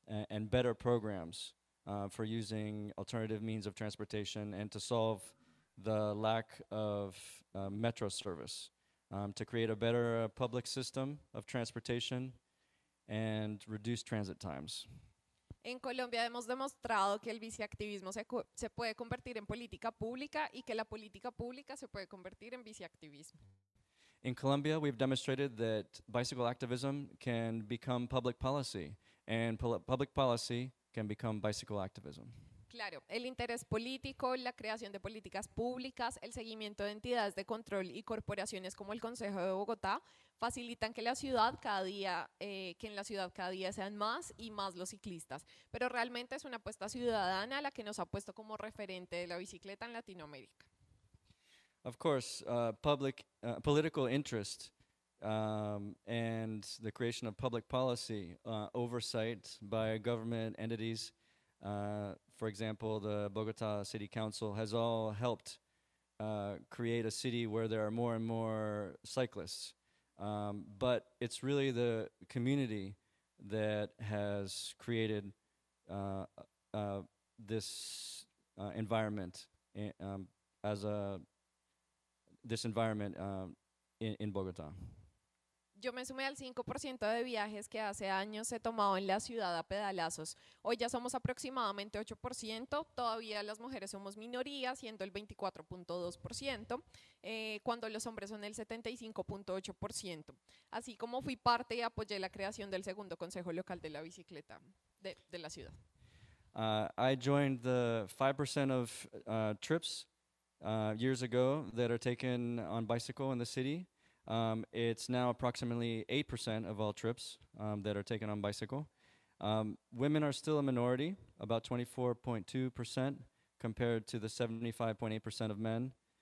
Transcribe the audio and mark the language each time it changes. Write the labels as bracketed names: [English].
[English] and better programs for using alternative means of transportation and to solve the lack of metro service, to create a better public system of transportation and reduce transit times. [Spanish] En Colombia hemos demostrado que el biciactivismo se puede convertir en política pública y que la política pública se puede convertir en biciactivismo. [English] In Colombia, we've demonstrated that bicycle activism can become public policy and public policy can become bicycle activism. [Spanish] Claro, el interés político, la creación de políticas públicas, el seguimiento de entidades de control y corporaciones como el Consejo de Bogotá facilitan que la ciudad cada día, que en la ciudad cada día sean más y más los ciclistas. Pero realmente es una apuesta ciudadana la que nos ha puesto como referente de la bicicleta en Latinoamérica. [English] Of course, political interest and the creation of public policy oversight by government entities. For example, the Bogotá City Council has all helped create a city where there are more and more cyclists. But it's really the community that has created this environment in Bogotá. [Spanish] Yo me sumé al 5% de viajes que hace años se tomaban en la ciudad a pedalazos. Hoy ya somos aproximadamente 8%, todavía las mujeres somos minoría, siendo el 24.2%, cuando los hombres son el 75.8%. Así como fui parte y apoyé la creación del segundo consejo local de la bicicleta de la ciudad. [English] I joined the 5% of trips years ago that are taken on bicycle in the city. It's now approximately 8% of all trips that are taken on bicycle. Women are still a minority, about 24.2% compared to the 75.8% of men.